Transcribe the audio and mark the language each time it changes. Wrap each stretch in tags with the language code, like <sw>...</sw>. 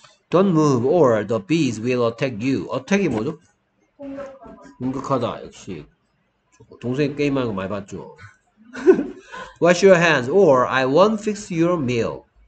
<en>Don't move or the bees will attack you.</en> <ko>attack이 뭐죠? 공격하다. 공격하다 역시 동생 게임하는 거 많이 봤죠?</ko> <en>Wash your hands or I won't fix your meal.</en>